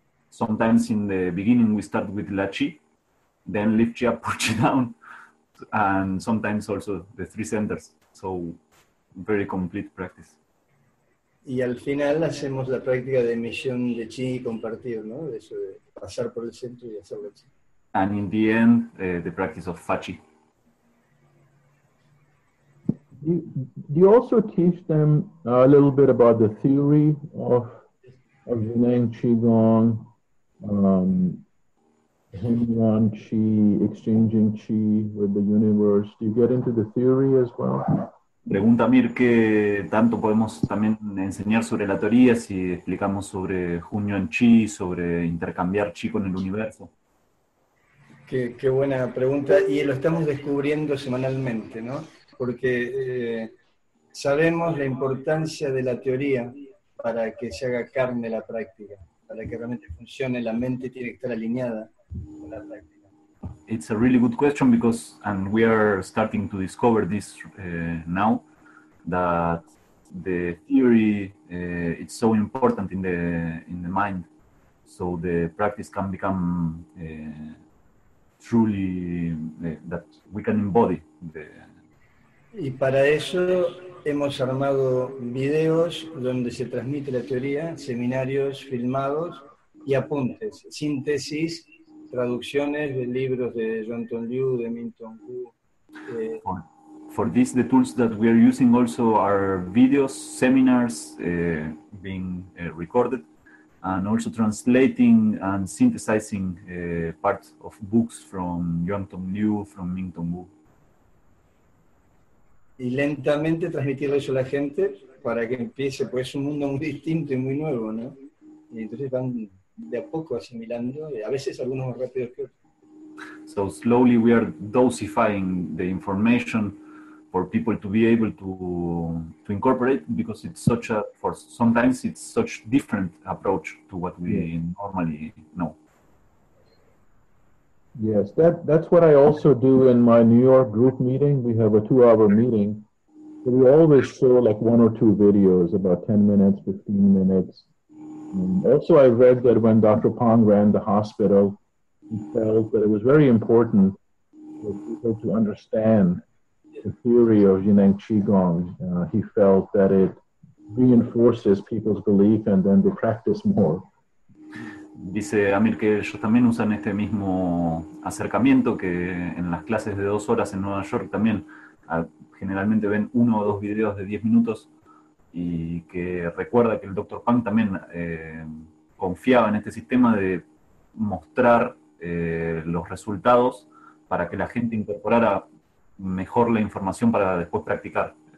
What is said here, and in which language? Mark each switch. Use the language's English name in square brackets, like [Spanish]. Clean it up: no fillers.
[English] Sometimes in the beginning we start with la chi, then lift chi up, push chi down, and sometimes also the three centers. So, very complete practice. [Spanish] Y al final hacemos la práctica de emisión de chi y compartir, ¿no? De eso de pasar por el centro y hacer la chi. [English] And in the end, the practice of fa chi. Do you also teach them a little bit about the theory of Yinang Qigong, Yinyuan Qi, exchanging Qi with the universe? Do you get into the theory as well? [Spanish] Pregunta Mir que tanto podemos también enseñar sobre la teoría si explicamos sobre Yinyuan Qi, sobre intercambiar Qi con el universo. Qué buena pregunta, y lo estamos descubriendo semanalmente, ¿no? Porque sabemos la importancia de la teoría para que se haga carne la práctica, para que realmente funcione. La mente tiene que estar alineada con la práctica. [English] It's a really good question because, and we are starting to discover this now, that the theory it's so important in the mind, so the practice can become truly that we can embody the. [Spanish] Y para eso hemos armado videos donde se transmite la teoría, seminarios filmados y apuntes, síntesis, traducciones de libros de Yuanton Liu, de Minton Wu. [English] For this, the tools that we are using also are videos, seminars being recorded, and also translating and synthesizing parts of books from Yuanton Liu, from Minton Wu. [Spanish] Y lentamente transmitir eso a la gente para que empiece, pues es un mundo muy distinto y muy nuevo, ¿no? Y entonces van de a poco asimilando, y a veces algunos más rápidos que otros. [English] So slowly we are dosifying the information for people to be able to incorporate, because it's such a, for sometimes it's such different approach to what we normally know. Yes, that's what I also do in my New York group meeting. We have a two-hour meeting. We always show like one or two videos, about 10 minutes, 15 minutes. And also, I read that when Dr. Pong ran the hospital, he felt that it was very important for people to understand the theory of Yineng Qigong. He felt that it reinforces people's belief and then they practice more. [Spanish] Dice Amir que ellos también usan este mismo acercamiento, que en las clases de dos horas en Nueva York también generalmente ven uno o dos videos de 10 minutos, y que recuerda que el Dr. Pang también confiaba en este sistema de mostrar los resultados para que la gente incorporara mejor la información para después practicar.